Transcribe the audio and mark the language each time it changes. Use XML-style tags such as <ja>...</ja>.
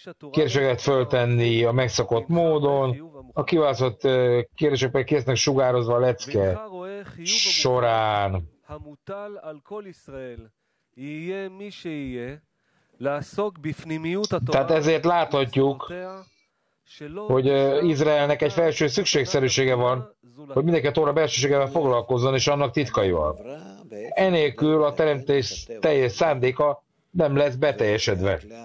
<hu>Kérdések lehet föltenni a megszokott módon. A kiválasztott kérdések pedig késznek sugározva a lecke során.</hu> <he>המוטל על כל ישראל, יהיה מי שיהיה, לעסוק בפנימיות התורה.</he> <hu>Tehát ezért láthatjuk, hogy Izraelnek egy felső szükségszerűsége van, hogy mindenki a Tóra belsőségevel foglalkozzon és annak titkaival. Enélkül a teremtés teljes szándéka nem lesz beteljesedve.</hu>